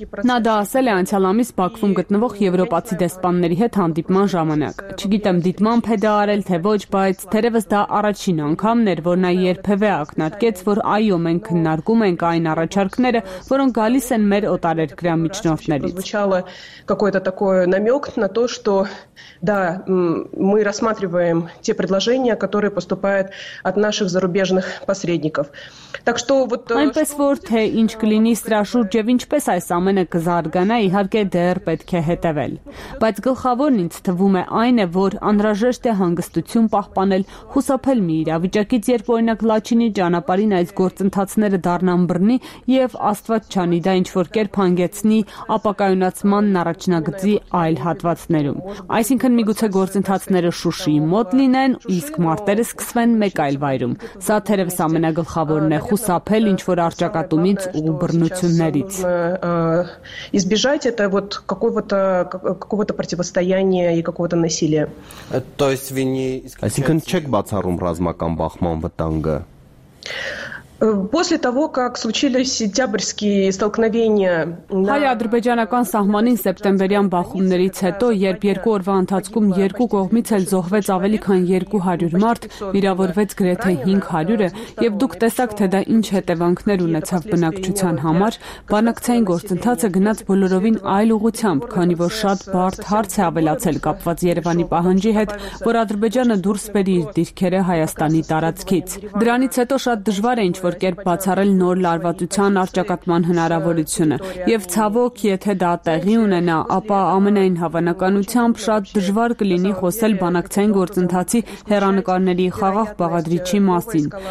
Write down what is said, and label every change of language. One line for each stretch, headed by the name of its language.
Armenian: Նա դա ասել է անցյալ ամիս Բաքվում գտնվող եվրոպացի դեսպանների հետ հանդիպման ժամանակ։ Չգիտեմ դիտմամբ է դա արել թե ոչ, բայց թերևս դա առաջին անգամն էր, որ նա երբևէ ակնարկեց, որ այո, մենք քննարկում ենք այն առաջարկները, որոնք գալիս են մեր օտարերկրյա միջնորդներից։
Russian: Да, мы рассматриваем те предложения, которые поступают от наших зарубежных посредников. Так что вот
Armenian: Այնպես որ թե ինչ կլինի Ստրաշուրջ եւ ինչպես այս ամենը կզարգանա, իհարկե դեռ պետք է հետևել։ Բայց գլխավորն ինձ թվում է այն է, որ անհրաժեշտ է հանգստություն պահպանել, խուսափել մի իրավիճակից, երբ օրինակ Լաչինի ճանապարհին այս գործընթացները դառնան բռնի եւ աստված չանի դա ինչ որ կերպ հանգեցնի ապակայունացման առաջնագծի այլ հատվածներում։ Այսինքն միգուցե գործընթացները Շուշիի մոտ լինեն, իսկ մարտերը սկսվեն մեկ այլ վայրում։ Սա թերևս ամենագլխավորն է՝ խուսափել ինչ որ արճակատումից ու բռնություններից։
Russian: Избежать это вот какого-то противостояния и какого-то насилия. То есть вы не
Armenian: Այսինքն չեք բացառում ռազմական բախման վտանգը։
Russian: После того, как случились сентябрьские столкновения,
Armenian: հայ-ադրբեջանական սահմանին սեպտեմբերյան բախումներից հետո, երբ երկու օրվա ընթացքում երկու կողմից էլ զոհվեց ավելի քան 200 մարդ, վիրավորվեց գրեթե 500-ը, եւ դուք տեսաք, թե դա ինչ հետևանքներ ունեցավ բնակչության համար, բանակցային գործընթացը գնաց բոլորովին այլ ուղությամբ, քանի որ շատ բարդ հարց է ավելացել կապված Երևանի պահանջի հետ, որ Ադրբեջանը դուրս բերի իր դիրքերը Հայաստանի տարածքից։ Դրանից հետո շատ դժվար է ինչ-որ կերպ բացառել նոր լարվածության արճակատման հնարավորությունը, եւ ցավոք, եթե դա տեղի ունենա, ապա ամենայն հավանականությամբ շատ դժվար կլինի խոսել բանակցային գործընթացի հեռանկարների խաղաղ բաղադրիչի մասին,